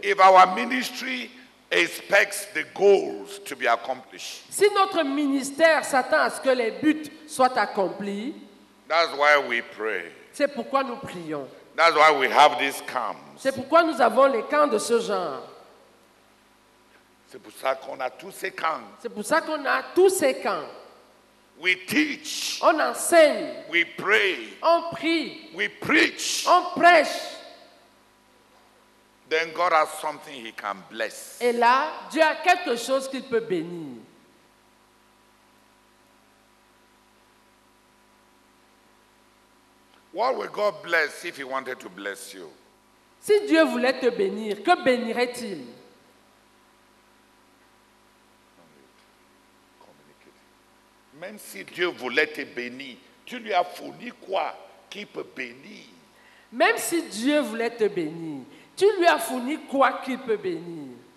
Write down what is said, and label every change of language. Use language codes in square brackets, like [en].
[en] If our ministry expects the goals to be accomplished. [fr] Si notre ministère s'attend à ce que les buts soient accomplis. [en] That's why we pray. [fr] C'est pourquoi nous prions. [en] That's why we have these camps. [fr] C'est pourquoi nous avons les camps de ce genre. C'est pour ça qu'on a tous ces camps. C'est pour ça qu'on a tous ces camps. [en] We teach. [fr] On enseigne. [en] We pray. [fr] On prie. [en] We preach. [fr] On prêche. [en] Then God has something he can bless. [fr] Et là, Dieu a quelque chose qu'il peut bénir. [en] What would God bless if he wanted to bless you? [fr] Si Dieu voulait te bénir, que bénirait-il? Même si Dieu voulait te bénir, tu lui as fourni quoi? Qui peut bénir? Même si Dieu voulait te bénir, tu lui as fourni quoi qu'il peut bénir?